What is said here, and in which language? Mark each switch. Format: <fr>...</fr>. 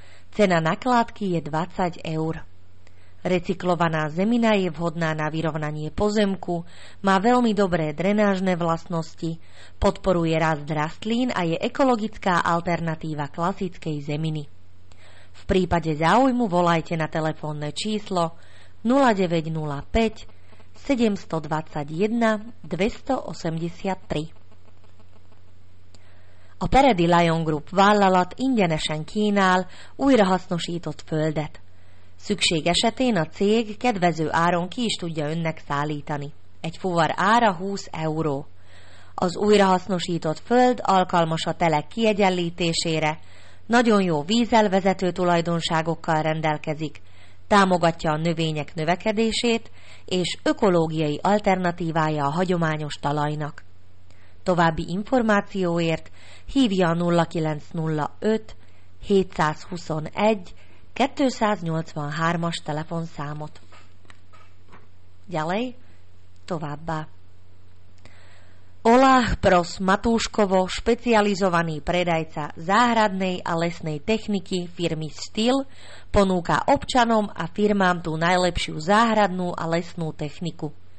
<sk>Cena nakládky je 20 eur. Recyklovaná zemina je vhodná na vyrovnanie pozemku, má veľmi dobré drenážne vlastnosti, podporuje rast rastlín a je ekologická alternatíva klasickej zeminy. V prípade záujmu volajte na telefónne číslo 0905 721 283.</sk> <hu>A Peredi Lion Group vállalat ingyenesen kínál újrahasznosított földet. Szükség esetén a cég kedvező áron ki is tudja önnek szállítani. Egy fuvar ára 20 euró. Az újrahasznosított föld alkalmas a telek kiegyenlítésére, nagyon jó vízelvezető tulajdonságokkal rendelkezik, támogatja a növények növekedését, és ökológiai alternatívája a hagyományos talajnak. További információért hívja a 0905 721 283-as telefonszámot.</hu> <sk>Ďalej, továbbá. Oláh Pros Matúškovo, špecializovaný predajca záhradnej a lesnej techniky firmy Stihl, ponúka občanom a firmám tú najlepšiu záhradnú a lesnú techniku.</sk>